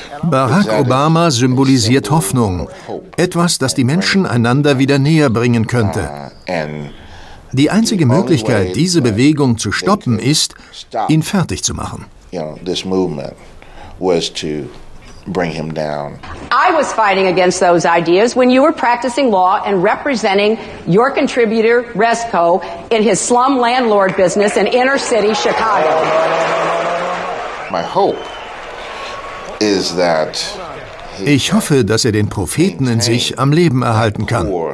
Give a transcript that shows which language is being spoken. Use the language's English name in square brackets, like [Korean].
[German] Barack Obama symbolisiert Hoffnung, etwas, das die Menschen einander wieder näher bringen könnte. Die einzige Möglichkeit, diese Bewegung zu stoppen, ist, ihn fertig zu machen. [English] Was to bring him down. I was fighting against those ideas when you were practicing law and representing your contributor, Resco, in his slum landlord business in inner city Chicago. My hope is that [German] ich hoffe, dass er den Propheten in sich am Leben erhalten kann.